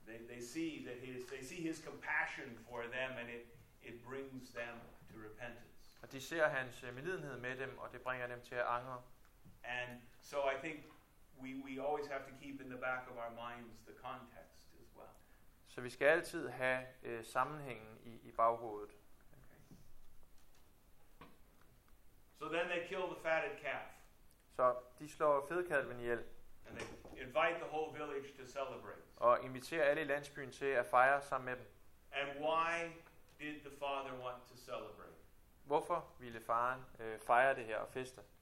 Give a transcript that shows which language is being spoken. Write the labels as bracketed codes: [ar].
[en] They see his compassion for them, and it brings them to repentance. [da] Og de ser hans medlidenhed med dem, og det bringer dem til at angre. [en] And so I think we always have to keep in the back of our minds the context as well. [da] Så vi skal altid have sammenhængen i baghovedet. [en] Okay. So then they kill the fatted calf. [da] Så de slår fedekalven ihjel. [en] And they invite the whole village to celebrate. [da] Og inviterer alle i landsbyen til at fejre sammen med dem. [en] And why did the father want to celebrate? [da] Hvorfor ville faren fejre det her og feste?